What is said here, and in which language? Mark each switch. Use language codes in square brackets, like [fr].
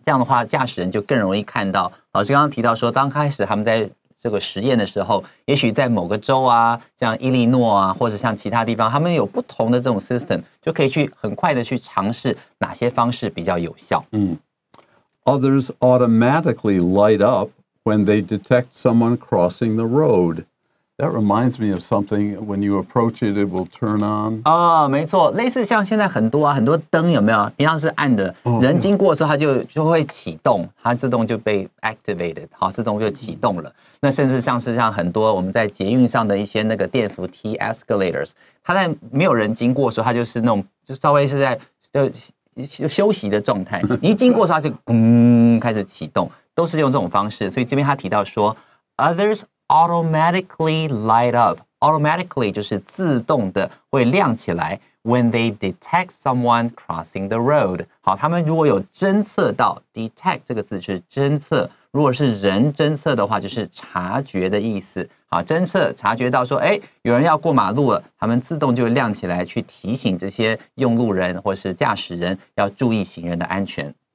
[zh] 这样的话，驾驶人就更容易看到。老师刚刚提到说，刚开始他们在这个实验的时候，也许在某个州啊，像伊利诺啊，或者像其他地方，他们有不同的这种 system， 就可以去很快的去尝试哪些方式比较有效。 [en] Others automatically light up when they detect someone crossing the road. That reminds me of something, when you approach it, it will turn on. [zh] 哦、oh, 没错，类似像现在很多啊，很多灯有没有，平常是暗的、人经过的时候它 就会启动，它自动就被 activated， 好，自动就启动了。那甚至像是像很多我们在捷运上的一些那个电扶梯 escalators， 它在没有人经过的时候，它就是那种就稍微是在休息的状态，你一经过的时候它就开始启动，都是用这种方式。所以这边他提到说 [en] others automatically light up. Automatically [zh] 就是自动的会亮起来 [en] when they detect someone crossing the road. [zh] 好，他们如果有侦测到 detect 这个字是侦测，如果是人侦测的话就是察觉的意思。好，侦测察觉到说，哎，有人要过马路了，他们自动就会亮起来去提醒这些用路人或是驾驶人要注意行人的安全。